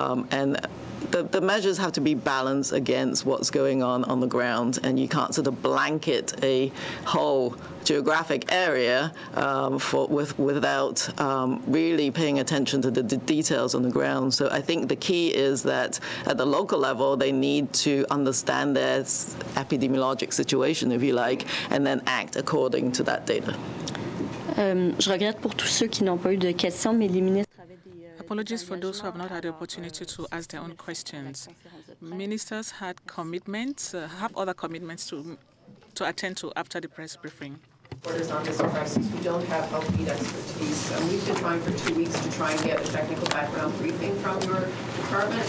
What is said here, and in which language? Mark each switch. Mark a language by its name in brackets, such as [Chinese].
[English] And the measures have to be balanced against what's going on the ground, and you can't sort of blanket a whole geographic area without really paying attention to the details on the ground. So I think the key is that at the local level, they need to understand their epidemiologic situation, if you like, and then act according to that data. [French] Je regrette pour tous ceux qui n'ont pas eu de questions, mais les ministres. [English] Apologies for those who have not had the opportunity to ask their own questions. Ministers had commitments, have other commitments to attend to after the press briefing. Borders on this crisis. We don't have health need expertise. We've been trying for 2 weeks to try and get a technical background briefing from your department.